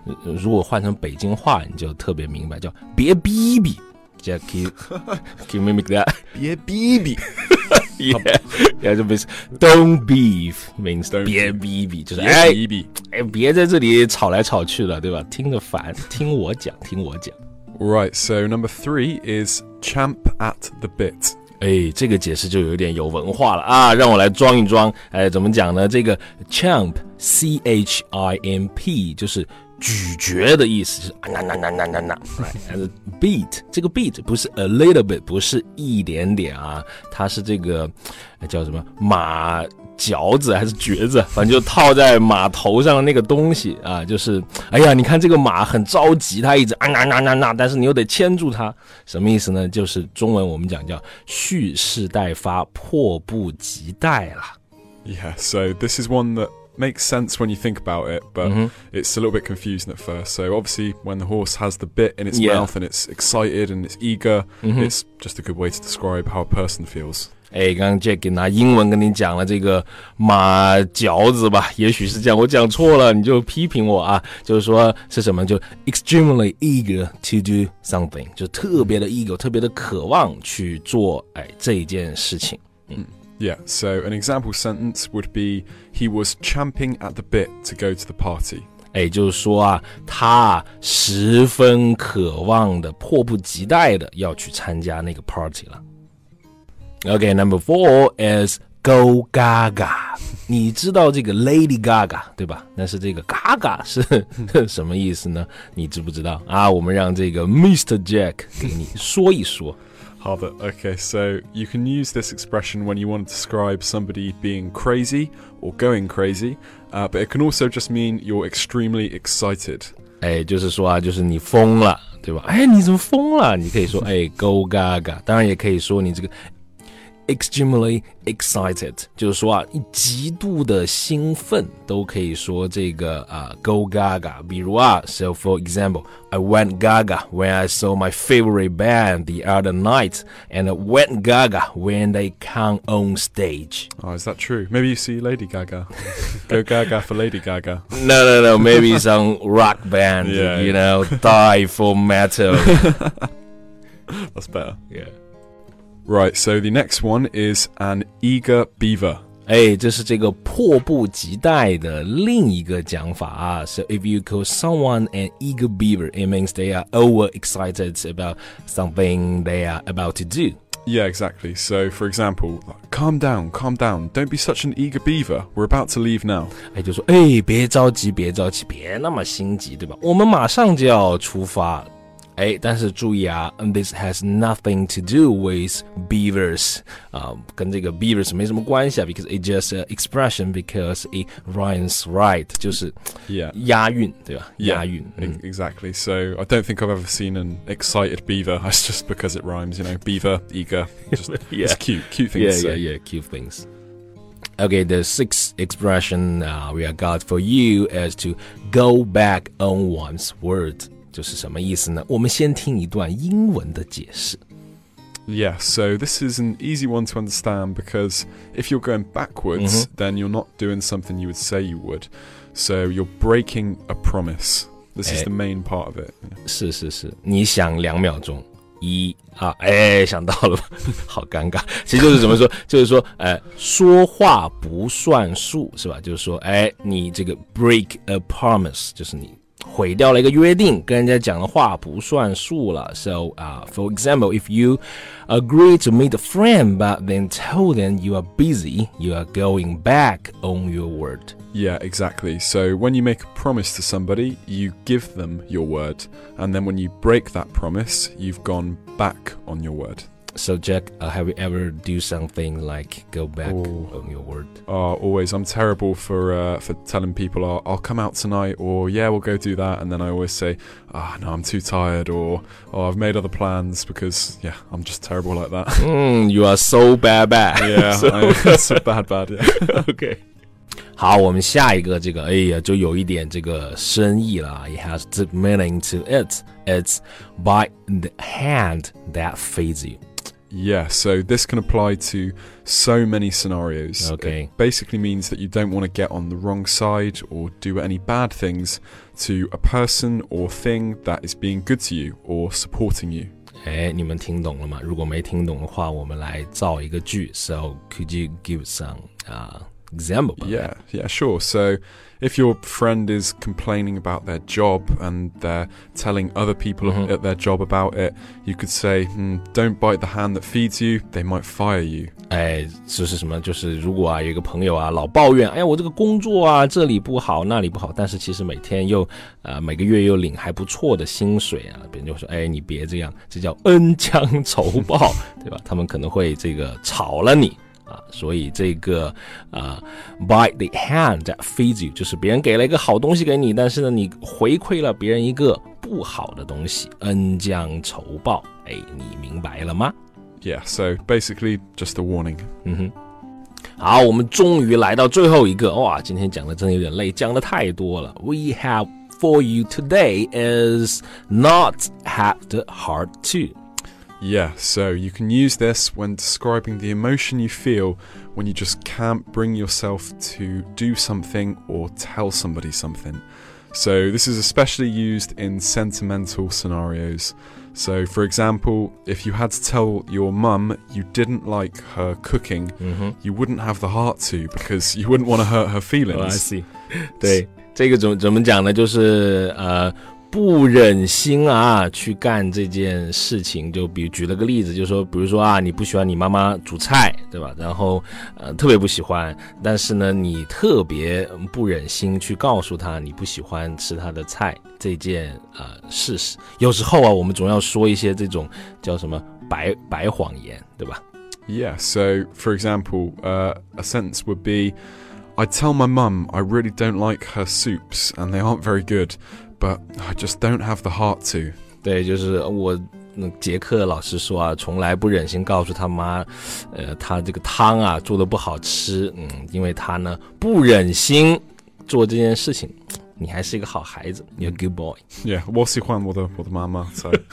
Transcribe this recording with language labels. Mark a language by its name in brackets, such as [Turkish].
[Chinese] 如果换成北京话，你就特别明白，叫别逼逼。 [English] Yeah, can you mimic that? [Chinese] 别逼逼 [English] Yeah, that means don't beef means [Chinese] 别逼逼就是别逼逼哎，别在这里吵来吵去了，对吧？听着烦，听我讲，听我讲。 [English] Right, so number three is champ at the bit. [Chinese] 哎，这个解释就有点有文化了啊！让我来装一装。哎，怎么讲呢？这个 champ, C H I M P, 就是。咀嚼的意思是那 right, beat 这个 beat 不是 [English] a little bit [Chinese] 不是一点点啊，它是这个叫什么马嚼子还是嚼子，反正就套在马头上的那个东西啊，就是哎呀你看这个马很着急，它一直那但是你又得牵住它，什么意思呢？就是中文我们讲叫蓄势待发，迫不及待了。 [English] Yeah, so this is one thatmakes sense when you think about it, but it's a little bit confusing at first. So obviously when the horse has the bit in its mouth and it's excited and it's eager, it's just a good way to describe how a person feels. [Chinese] 哎，刚刚 Jack 拿英文跟你讲了这个马嚼子吧，也许是这样，我讲错了你就批评我啊，就是说是什么，就 [English] extremely eager to do something, [Chinese] 就特别的 eager, 特别的渴望去做哎这件事情。 [English] Yeah, so an example sentence would be, he was champing at the bit to go to the party. [Chinese] 哎，就是说啊，他十分渴望的，迫不及待的要去参加那个 party 了。 [English] Okay, number four is go gaga. [Chinese] 你知道这个 Lady Gaga, 对吧？但是这个 gaga 是什么意思呢？你知不知道？啊，我们让这个 Mr. Jack 给你说一说。 [English] Okay, so you can use this expression when you want to describe somebody being crazy or going crazy, but it can also just mean you're extremely excited. [Chinese] 哎，就是说啊，就是你疯了，对吧？哎，你怎么疯了？你可以说哎 ，go gaga。当然也可以说你这个 [English] extremely excited, [Chinese] 就是说啊，极度的兴奋都可以说这个啊 go gaga. 比如啊 [English] ,so for example, I went gaga when I saw my favorite band the other night, and I went gaga when they come on stage. Oh, is that true? Maybe you see Lady Gaga. Go gaga for Lady Gaga. No, maybe some rock band, yeah, you know, die for metal. That's better. Yeah. Right, so the next one is an eager beaver. [Chinese] 哎，这是这个迫不及待的另一个讲法啊。 [English] So if you call someone an eager beaver, it means they are overexcited about something they are about to do. Yeah, exactly. So for example, calm down, don't be such an eager beaver. We're about to leave now. [Chinese] 哎，就说，哎，别着急，别那么心急，对吧？我们马上就要出发。哎，但是注意啊 ， [English] this has nothing to do with beavers， [Chinese] 啊、跟这个 beavers 没什么关系啊 ， [English] because it's just an expression because it rhymes right， [Chinese] 就是 [English] ，yeah， [Chinese] 押韵对吧？ [English] Yeah, [Chinese] 押韵、 [English] 嗯、，exactly。 So I don't think I've ever seen an excited beaver. It's just because it rhymes, you know, beaver, eager, just, yeah, it's cute things. Yeah, cute things. Okay, the sixth expression、we have got for you is to go back on one's word. [Chinese] 就是什么意思呢？我们先听一段英文的解释。 [English] Yeah, so this is an easy one to understand because if you're going backwards,、mm-hmm. then you're not doing something you would say you would. So you're breaking a promise. This is the main part of it.、 Yeah. [Chinese] 是，你想两秒钟，一二，哎，想到了，好尴尬。其实就是怎么说，就是说，说话不算数，是吧？就是说，哎，你这个 [English] break a promise [Chinese] 就是你。毁掉了一个约定，跟人家讲的话不算数了。 [English] So, for example, if you agree to meet a friend, but then tell them you are busy, you are going back on your word. Yeah, exactly. So when you make a promise to somebody, you give them your word. And then when you break that promise, you've gone back on your word. So Jack, have you ever do something like go back、Ooh. On your word? Oh, always. I'm terrible for telling people, I'll come out tonight, or yeah, we'll go do that. And then I always say, ah,、oh, no, I'm too tired, or oh, I've made other plans because, yeah, I'm just terrible like that.、 You are so bad. Yeah, so bad, yeah. Okay. [Chinese] 好，我们下一个这个，哎呀，就有一点这个深意了。 [English] It has deep meaning to it. It's by the hand that feeds you. Yeah, so this can apply to so many scenarios. Okay. It basically means that you don't want to get on the wrong side or do any bad things to a person or thing that is being good to you or supporting you. [Chinese] 哎，你们听懂了吗？如果没听懂的话，我们来造一个句。 [English] So could you give some example? Yeah, sure. So if your friend is complaining about their job and they're telling other people、mm-hmm. at their job about it, you could say, don't bite the hand that feeds you, they might fire you. [Chinese] 哎，这是什么？就是如果啊，有一个朋友啊，老抱怨，哎呀，我这个工作啊，这里不好，那里不好，但是其实每天又，每个月又领还不错的薪水啊，别人就说，哎，你别这样，这叫恩将仇报，对吧？他们可能会这个炒了你。所以这个、 [English] by the hand that feeds you [Chinese] 就是别人给了一个好东西给你，但是呢你回馈了别人一个不好的东西，恩将仇报。哎，你明白了吗？ [English] Yeah, so basically just a warning. [Chinese] 好，我们终于来到最后一个。哇，今天讲的真的有点累，讲的太多了。 [English] We have for you today is not have the heart to Yeah, so you can use this when describing the emotion you feel when you just can't bring yourself to do something or tell somebody something. So this is especially used in sentimental scenarios. So for example, if you had to tell your mum you didn't like her cooking,、mm-hmm. you wouldn't have the heart to because you wouldn't want to hurt her feelings. Oh, I see. [Chinese] 对，这个怎么讲呢？就是不忍心啊去干这件事情。就比如举了个例子，就说比如说啊，你不喜欢你妈妈煮菜，对吧？然后特别不喜欢，但是呢你特别不忍心去告诉她你不喜欢吃她的菜这件事实。有时候啊，我们总要说一些这种叫什么白谎言，对吧？ [English] Yeah, so for example, a sentence would be, I tell my mum I really don't like her soups and they aren't very good.But I just don't have the heart to. [Chinese] 对，就是我杰克老师说啊，从来不忍心告诉他妈，他这个汤啊做的不好吃，因为他呢不忍心做这件事情。你还是一个好孩子 ， [English] You're a good boy. Yeah, [Chinese] 我喜欢我的妈妈 ， [English] So